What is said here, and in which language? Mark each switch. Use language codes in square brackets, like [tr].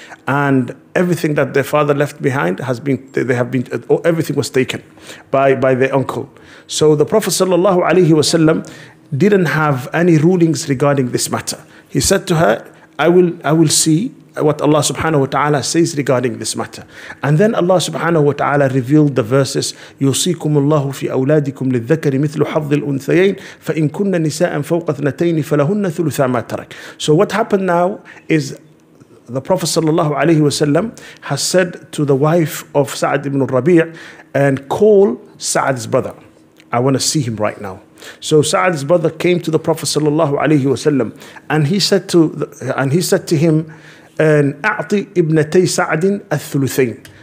[en] and everything that their father left behind has been, they have been, everything was taken by their uncle. So the Prophet sallallahu alaihi wasallam didn't have any rulings regarding this matter. He said to her, I will see what Allah subhanahu wa ta'ala says regarding this matter. And then Allah subhanahu wa ta'ala revealed the verses, [ar] يُوصِيكُمُ اللَّهُ فِي أَوْلَادِكُمْ لِلذَّكَرِ مِثْلُ حَظِّ الْأُنْثَيَيْنِ فَإِنْ كُنَّ نِسَاءً فَوْقَ اثْنَتَيْنِ فَلَهُنَّ ثُلُثَا مَا تَرَكَ. [en] So what happened now is the Prophet sallallahu alayhi wa sallam has said to the wife of Sa'd ibn al-Rabi' and call Sa'd's brother. I want to see him right now. So Sa'd's brother came to the Prophet sallallahu alayhi wa sallam and he said to him, and [ar] أَعْطِ إِبْنَتَيْ سَعْدٍ الثُّلُثَيْنِ.